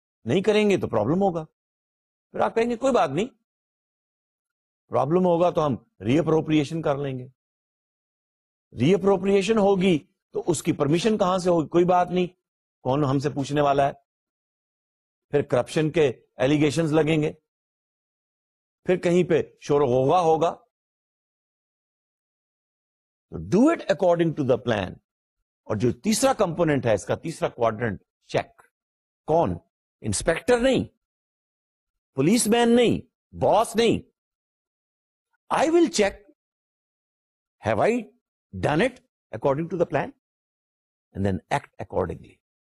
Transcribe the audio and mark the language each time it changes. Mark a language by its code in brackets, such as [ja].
[ur] نہیں کریں گے تو problem ہوگا. پھر آپ کہیں گے کوئی بات نہیں, پرابلم ہوگا تو ہم ری اپروپریشن کر لیں گے, ری اپروپریشن ہوگی تو اس کی پرمیشن کہاں سے ہوگی, کوئی بات نہیں, کون ہم سے پوچھنے والا ہے. پھر کرپشن کے ایلیگیشنز لگیں گے, پھر کہیں پہ شور و غوغا ہوگا. [en] تو do it according to the plan. [ur] اور جو تیسرا کمپوننٹ ہے اس کا, تیسرا کوارڈرنٹ, چیک. کون؟ انسپیکٹر نہیں, پولیس مین نہیں, باس نہیں. [en] I will check, have I done it according to the plan, and then act accordingly.